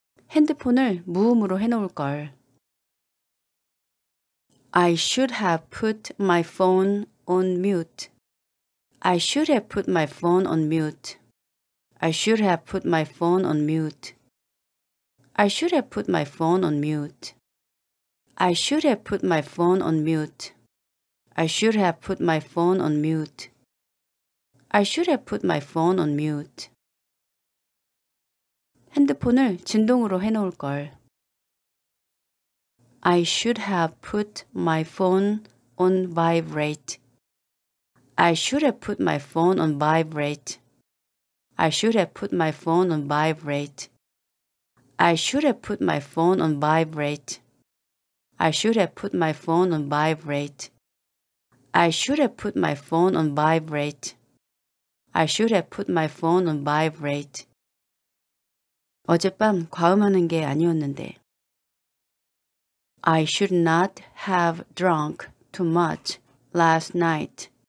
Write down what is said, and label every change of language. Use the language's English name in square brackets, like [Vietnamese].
[Korean] 핸드폰을 무음으로 해놓을 걸. [English] I should have put my phone on mute. I should have put my phone on mute. I should have put my phone on mute. I should have put my phone on mute. I should have put my phone on mute. I should have put my phone on mute. I should have put my phone on mute. [Korean] 핸드폰을 진동으로 해놓을 걸. [English] I should have put my phone on vibrate. I should have put my phone on vibrate. I should have put my phone on vibrate. I should have put my phone on vibrate. I should have put my phone on vibrate. I should have put my phone on vibrate. I should have put my phone on vibrate. [Korean] 어젯밤 과음하는 게 아니었는데. [English] I should not have drunk too much last night.